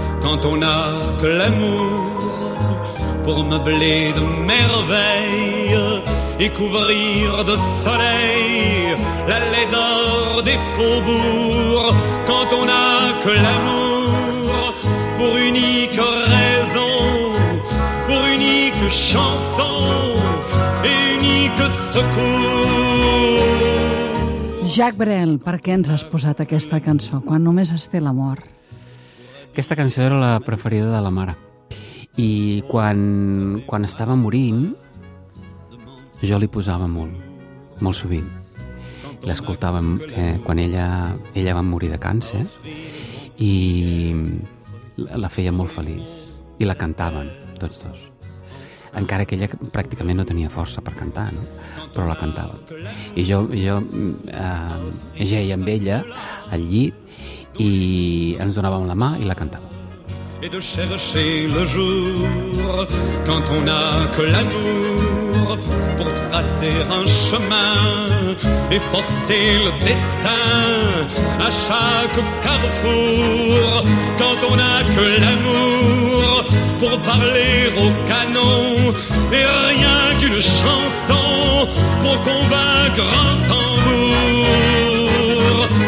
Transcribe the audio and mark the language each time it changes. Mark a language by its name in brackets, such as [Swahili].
[French] Quand on n'a que l'amour pour meubler de merveilles et couvrir de soleil la laideur des faubourgs. Quand on n'a que l'amour pour unique raison, pour unique chanson et unique secours. [Catalan] Jacques Brel, per què ens has posat aquesta cançó, quan només es té l'amor? Aquesta cançó era la preferida de la mare. I quan estava morint, jo li posava molt, molt sovint. L'escoltàvem quan ella va morir de càncer i la feia molt feliç. I la cantaven, tots dos. Encara que ella pràcticament no tenia força per cantar, no? Però la cantava. I jo jeia amb ella al llit i ens donàvem la mà i la cantava. [French] Et de chercher le jour quand on n'a que l'amour pour tracer un chemin et forcer le destin à chaque carrefour. Quand on n'a que l'amour pour parler au canon et rien qu'une chanson pour convaincre un tambour.